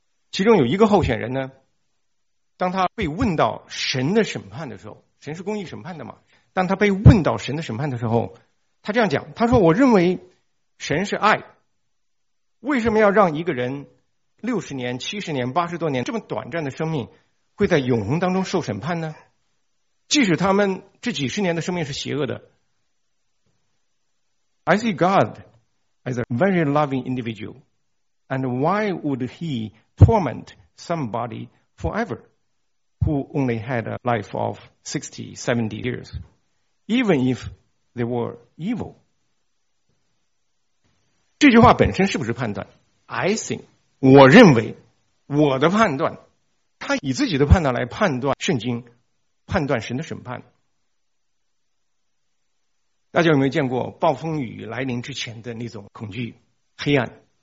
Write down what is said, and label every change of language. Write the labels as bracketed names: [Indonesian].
[Chinese] 其中有一个候选人呢，当他被问到神的审判的时候，神是公义审判的嘛，当他被问到神的审判的时候，他这样讲，他说，我认为神是爱，为什么要让一个人60年、70年、80多年这么短暂的生命会在永恒当中受审判呢？即使他们这几十年的生命是邪恶的。 [English] I see God as a very loving individual, and why would he torment somebody forever who only had a life of 60-70 years, even if they were evil? [Chinese] 这句话本身是不是判断？ [English] I think， [Chinese] 我认为，我的判断，他以自己的判断来判断圣经，判断神的审判。大家有没有见过暴风雨来临之前的那种恐惧、黑暗？